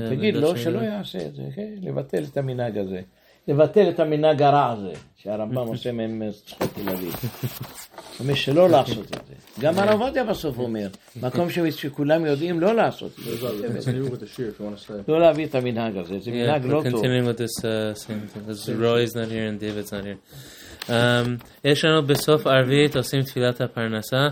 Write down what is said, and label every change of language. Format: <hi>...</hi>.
<he>תגיד לו שלא יעשה את זה, אוקיי? לבטל את המנהג הזה. לבטל את המנהג הרע הזה, שהרמב״ם עושה מהם צחוק ילדים. זאת אומרת שלא לעשות את זה. גם הרב עובדיה בסוף אומר, מקום שכולם יודעים לא לעשות את זה. לא להביא את המנהג הזה, זה מנהג לא טוב.</he> <en>Continuing with this same thing, Roy is not here and David's not here.</en> <he>יש לנו בסוף ערבית עושים תפילת הפרנסה.</he>